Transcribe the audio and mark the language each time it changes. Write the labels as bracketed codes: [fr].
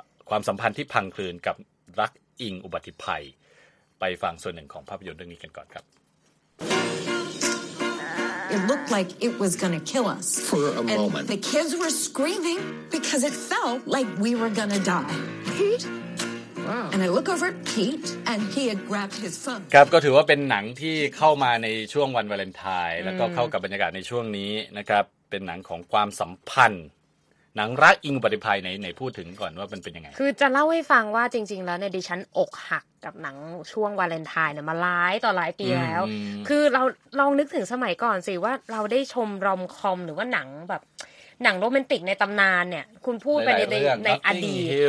[th] ความสัมพันธ์ที่พังคลืนกับรักอิงอุบัติภัยไปฟังส่วนหนึ่งของภาพยนตร์เรื่องนี้กันก่อนครับ [en] It looked like it was gonna kill us. For a and moment. The kids were screaming because it felt like we were gonna die. Pete? Wow. And I look over at Pete, and he had grabbed his phone. [th] ครับก็ถือว่าเป็นหนังที่เข้ามาในช่วงวันวาเลนไทน์แล้วก็เข้ากับบรรยากาศในช่วงนี้นะครับเป็นหนังของความสัมพันธ์หนังรักอิงอุบัติภัยไหนพูดถึงก่อนว่ามันเป็นยังไง คือจะเล่าให้ฟังว่าจริงๆแล้วเนี่ยดิฉันอกหักกับหนังช่วงวาเลนไทน์เนี่ยมาหลายต่อหลายปีแล้วคือเราลองนึกถึงสมัยก่อนสิว่าเราได้ชมรอมคอมหรือว่าหนังแบบหนังโรแมนติกในตำนานเนี่ยคุณพูดไปในอดีต